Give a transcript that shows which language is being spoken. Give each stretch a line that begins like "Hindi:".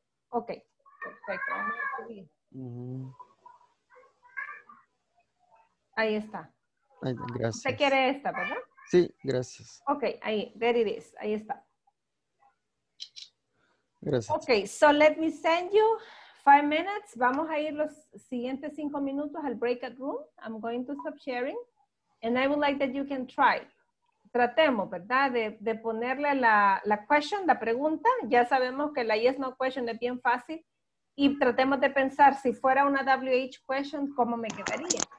Spanish: Ok, perfecto. Vamos a ahí está. Ay, gracias. Se quiere esta, ¿verdad? Sí, gracias. Ok, ahí,
English: there it is,
Spanish: ahí está. Gracias.
English: Ok, so let me send you 5 minutes.
Spanish: Vamos a ir los siguientes 5 minutos al breakout room.
English: I'm going to stop sharing. And I would like that you can try.
Spanish: Tratemos, ¿verdad? De ponerle la question, la pregunta. Ya sabemos que la yes no question es bien fácil. Y tratemos de pensar, si fuera una WH question, ¿cómo me quedaría?